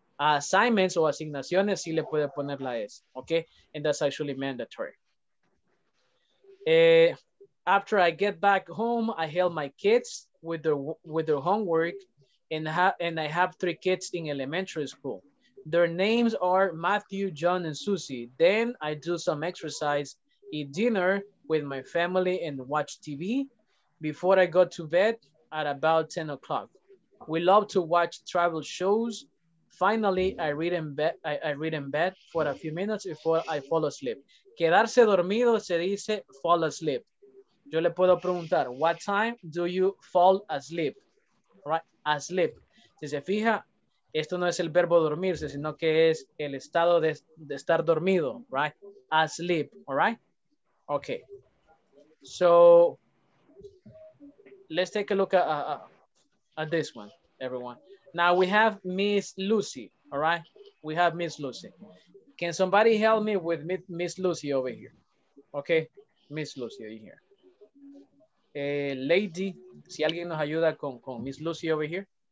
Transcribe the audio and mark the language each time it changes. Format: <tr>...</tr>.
<es>assignments o asignaciones, sí le puede poner la S.</es> <en>Okay? And that's actually mandatory. After I get back home, I help my kids with their homework, and I have three kids in elementary school. Their names are Matthew, John, and Susie. Then I do some exercise, eat dinner with my family, and watch TV. Before I go to bed at about 10 o'clock. We love to watch travel shows. Finally, I read in bed for a few minutes before I fall asleep.</en> <es>Quedarse dormido se dice</es> <en>fall asleep.</en> <es>Yo le puedo preguntar,</es> <en>what time do you fall asleep? Right, asleep.</en> <es>Si se fija, esto no es el verbo dormirse, sino que es el estado de estar dormido, right?</es> <en>Asleep, all right? Okay. So, let's take a look at this one, everyone. Now we have Miss Lucy, all right? We have Miss Lucy. Can somebody help me with Miss Lucy over here? Okay, Miss Lucy over here.</en> <es>Lady, si alguien nos ayuda con Miss Lucy</es> <en>over here.</en>